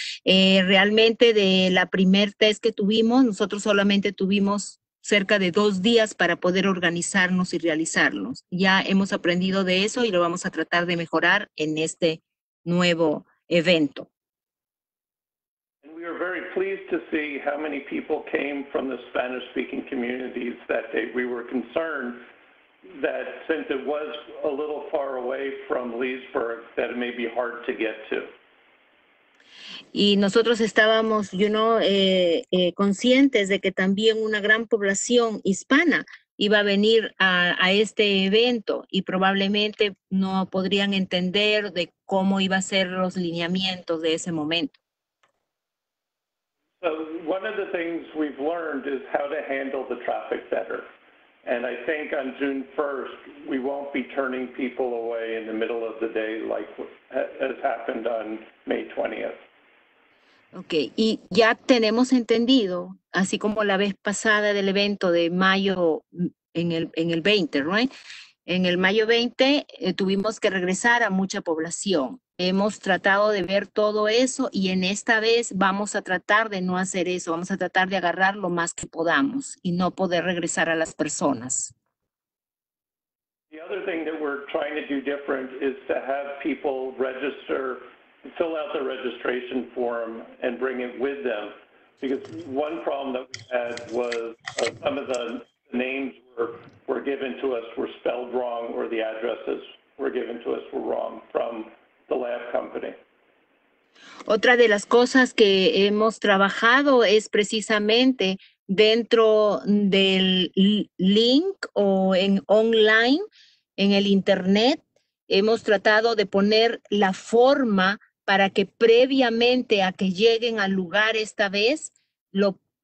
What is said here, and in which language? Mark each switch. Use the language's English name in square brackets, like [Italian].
[Spanish] Realmente de la primer test que tuvimos, nosotros solamente tuvimos cerca de 2 días para poder organizarnos y realizarlos. Ya hemos aprendido de eso y lo vamos a tratar de mejorar en este nuevo evento. [English] Pleased to see how many people came from the Spanish-speaking communities that day. We were concerned that since it was a little far away from Leesburg, that it may be hard to get to. [Spanish] Y nosotros estábamos, [English] you know, [Spanish] conscientes de que también una gran población hispana iba a venir a este evento y probablemente no podrían entender de cómo iba a ser los lineamientos de ese momento. [English] So one of the things we've learned is how to handle the traffic better. And I think on June 1st, we won't be turning people away in the middle of the day like has happened on May 20th. [Spanish] Okay, y ya tenemos entendido, así como la vez pasada del evento de mayo en el 20, [English] right? [Spanish] En el mayo 20 tuvimos que regresar a mucha población. Hemos tratado de ver todo eso y en esta vez vamos a tratar de no hacer eso. Vamos a tratar de agarrar lo más que podamos y no poder regresar a las personas. [English] The other thing that we're trying to do different is to have people register, fill out the registration form and bring it with them. Because one problem that we had was some of the names were given to us were spelled wrong, or the addresses were given to us were wrong from the lab company. [Spanish] Otra de las cosas que hemos trabajado es precisamente dentro del link o en online, en el internet, hemos tratado de poner la forma para que previamente a que lleguen al lugar esta vez, lo